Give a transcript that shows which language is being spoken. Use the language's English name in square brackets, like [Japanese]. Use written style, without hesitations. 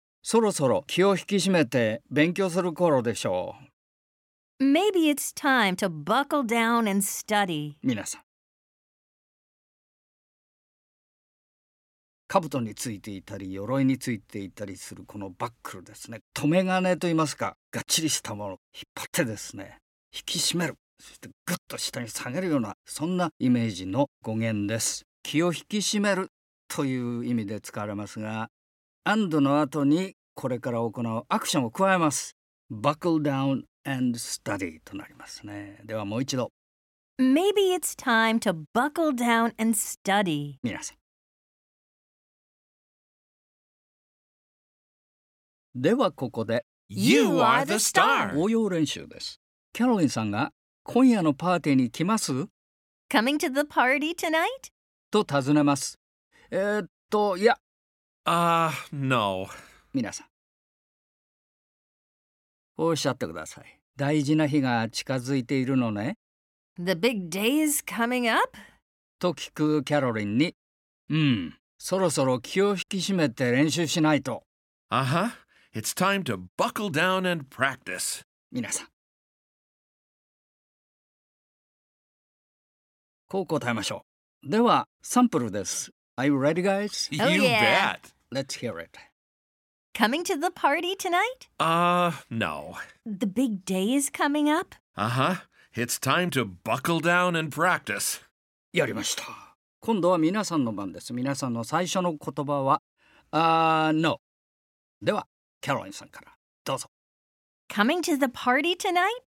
[Japanese] そろそろ気を引き締めて勉強する頃でしょう。 [English] Maybe it's time to buckle down and study. [Japanese] 皆さん。兜についていたり、鎧についていたりするこのバックルですね。留め金といいますか、がっちりしたものを引っ張ってですね、引き締める。そしてグッと下に下げるような、そんなイメージの語源です。気を引き締める。という意味で使われますが、and の後にこれから行うアクションを加えます。 [English] Buckle down and study [Japanese] となりますね。ではもう一度。 [English] Maybe it's time to buckle down and study. [Japanese] 皆さん。ではここで、 [English] You are the star! [Japanese] 応用練習です。キャロリンさんが、今夜のパーティーに来ます? [English] Coming to the party tonight? [Japanese] と尋ねます。いや。 [English] No. [Japanese] 皆さん。おっしゃってください。大事な日が近づいているのね。 [English] The big day is coming up? [Japanese] と聞くキャロリンに。そろそろ気を引き締めて練習しないと。 [English] It's time to buckle down and practice. [Japanese] 皆さん。こう答えましょう。では、サンプルです。 [English] Are you ready, guys? You bet. Let's hear it. Coming to the party tonight? No. The big day is coming up? It's time to buckle down and practice. [Japanese] やりました。今度は皆さんの番です。皆さんの最初の言葉は、No. では、キャロリンさんからどうぞ。 [English] Coming to the party tonight?